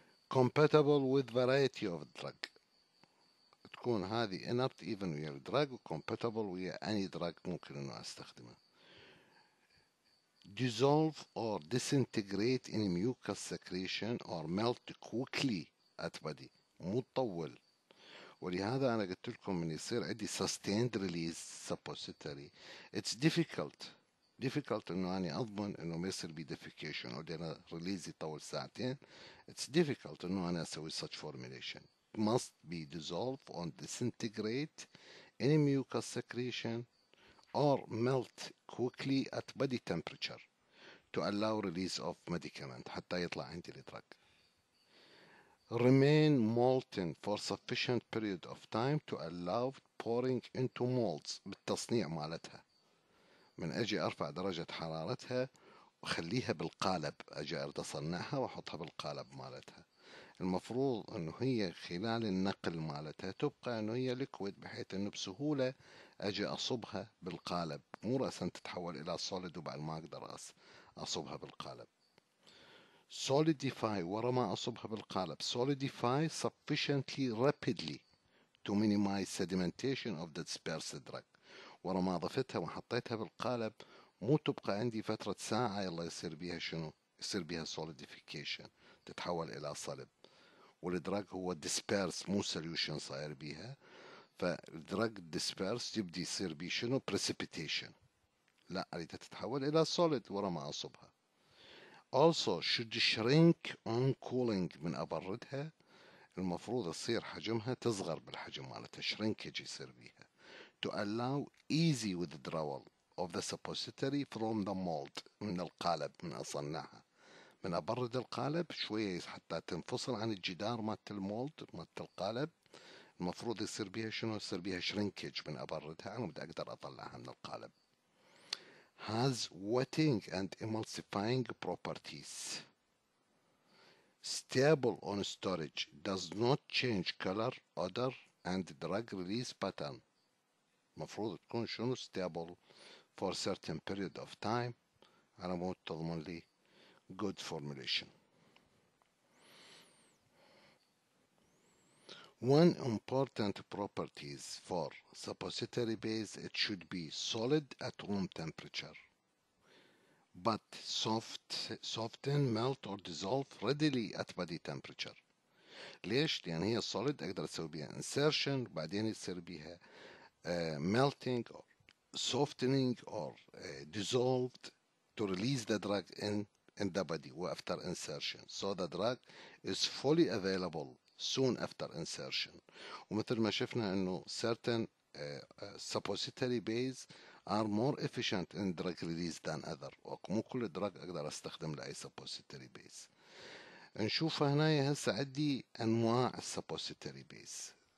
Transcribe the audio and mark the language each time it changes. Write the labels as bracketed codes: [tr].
[en] Compatible with variety of drug. [ar] تكون هذه [en] inert even with drug compatible with any drug [ar] ممكن إنه أستخدمه. [en] Dissolve or disintegrate in mucus secretion or melt quickly at body. [ar] مو طول. ولهذا أنا قلت لكم من يصير عندي [en] sustained release suppository. It's difficult. Difficult [ar] إنه أنا أضمن إنه ما يصير بي defecation أو أنا release يطول ساعتين. [en] It's difficult [ar] إنه أنا أسوي [en] such formulation. Must be dissolve or disintegrate in mucus secretion or melt quickly at body temperature to allow release of medicament [ar] حتى يطلع عندي الدرج. [en] Remain molten for sufficient period of time to allow pouring into molds [ar] بالتصنيع مالتها. من أجي أرفع درجة حرارتها وخليها بالقالب، أجي أرد أصنعها وأحطها بالقالب مالتها. المفروض أنه هي خلال النقل مالتها تبقى أنه هي liquid بحيث أنه بسهولة أجي أصبها بالقالب، مو رأساً تتحول إلى solid وبعد ما أقدر أصبها بالقالب. Solidify ورا ما أصبها بالقالب. [en] Solidify sufficiently rapidly to minimize sedimentation of the dispersed drug. [ar] ورا ما أضفتها وحطيتها بالقالب مو تبقى عندي فترة ساعة يلا يصير بيها شنو؟ يصير بيها solidification تتحول إلى صلب. والدرج هو disperse مو solution صاير بيها. فالدرج disperse يبدي يصير بي شنو precipitation، لا أريد تتحول إلى solid ورا ما أصبها. [en] Also should shrink on cooling [ar] من أبردها المفروض يصير حجمها تصغر بالحجم مالتها، [en] shrinkage يصير بيها to allow easy withdrawal of the suppository from the mold [ar] من القالب من أصنعها. من أبرد القالب شوية حتى تنفصل عن الجدار مالت المولد مالت القالب المفروض يصير بيها شنو؟ يصير بيها شرينكج من أبردها أنا بدي أقدر أطلعها من القالب. [en] Has wetting and emulsifying properties. Stable on storage. Does not change color, odor and drug release pattern. [ar] مفروض تكون شنو؟ [en] stable for certain period of time. [ar] أنا موت تضمن لي good formulation. [en] One important properties for suppository base, it should be solid at room temperature. but soft, soften, melt or dissolve readily at body temperature. [ar] ليش؟ لأن هي [en] solid [ar] أقدر أسوي بيها [en] insertion [ar] وبعدين يصير بيها [en] melting or softening or dissolved to release the drug in the body after insertion. So the drug is fully available soon after insertion. [ar] ومثل ما شفنا أنه [en] certain suppository base are more efficient in drug release than other. [ar] مو كل drug أقدر أستخدم لأي suppository base. نشوف هنا هسه عندي انواع السبوسيتري بيس.